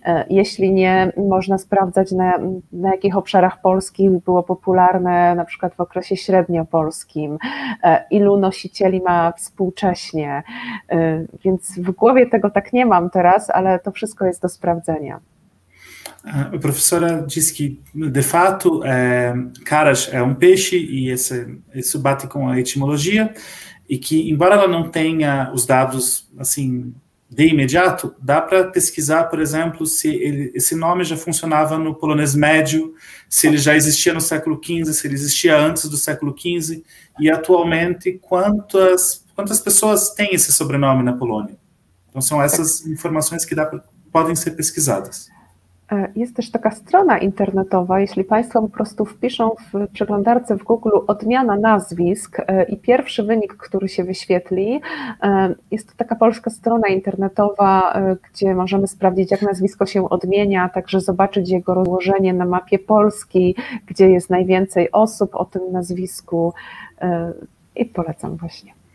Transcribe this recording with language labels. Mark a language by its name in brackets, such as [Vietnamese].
[Polish] Jeśli nie, można sprawdzać, na jakich obszarach Polski było popularne, na przykład w okresie średniopolskim, ilu nosicieli ma współcześnie. Więc w głowie tego tak nie mam teraz, ale to wszystko jest do sprawdzenia. [Portuguese] O professora diz que, de fato, caras é um peixe e isso bate com a etimologia e que, embora ela não tenha os dados assim de imediato, dá para pesquisar, por exemplo, se esse nome já funcionava no polonês médio, se ele já existia no século XV, se ele existia antes do século XV e, atualmente, quantas pessoas têm esse sobrenome na Polônia. Então, são essas informações que podem ser pesquisadas. [Polish] Jest też taka strona internetowa, jeśli Państwo po prostu wpiszą w przeglądarce w Google odmiana nazwisk i pierwszy wynik, który się wyświetli, jest to taka polska strona internetowa, gdzie możemy sprawdzić, jak nazwisko się odmienia, także zobaczyć jego rozłożenie na mapie Polski, gdzie jest najwięcej osób o tym nazwisku i polecam właśnie.